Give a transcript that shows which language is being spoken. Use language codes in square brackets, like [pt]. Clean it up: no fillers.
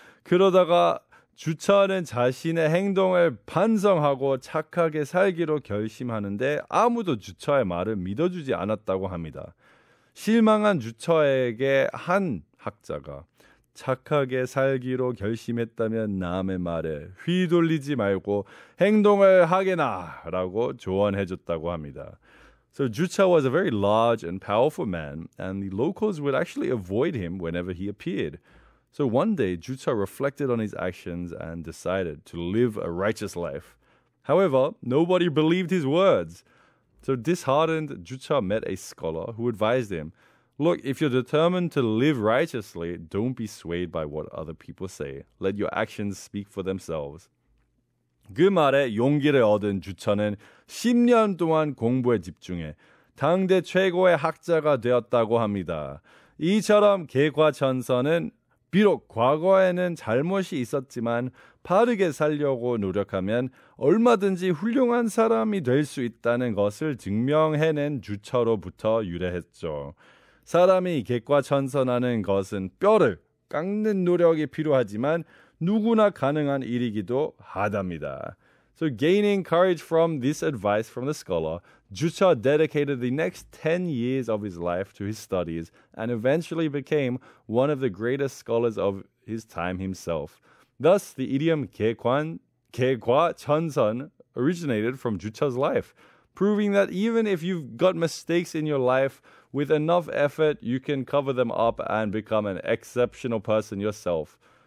[ko] 그러다가 주처는 자신의 행동을 반성하고 착하게 살기로 결심하는데 아무도 주처의 말을 믿어주지 않았다고 합니다. 실망한 주처에게 한 학자가 착하게 살기로 결심했다면 남의 말에 휘둘리지 말고 행동을 하게나 라고 조언해줬다고 합니다. [en] So 주처 was a very large and powerful man, and the locals would actually avoid him whenever he appeared. So one day, 주처 reflected on his actions and decided to live a righteous life. However, nobody believed his words. So disheartened, 주처 met a scholar who advised him, "Look, if you're determined to live righteously, don't be swayed by what other people say. Let your actions speak for themselves." [ko] 그 말에 용기를 얻은 주처는 10년 동안 공부에 집중해 당대 최고의 학자가 되었다고 합니다. 이처럼 개과천선은 비록 과거에는 잘못이 있었지만 바르게 살려고 노력하면 얼마든지 훌륭한 사람이 될 수 있다는 것을 증명해낸 주처로부터 유래했죠. 사람이 개과천선하는 것은 뼈를 깎는 노력이 필요하지만 누구나 가능한 일이기도 하답니다. [en] So gaining courage from this advice from the scholar, 주처 dedicated the next 10 years of his life to his studies and eventually became one of the greatest scholars of his time himself. Thus, the idiom 개과천선 originated from 주처's life, proving that even if you've got mistakes in your life, with enough effort, you can cover them up and become an exceptional person yourself.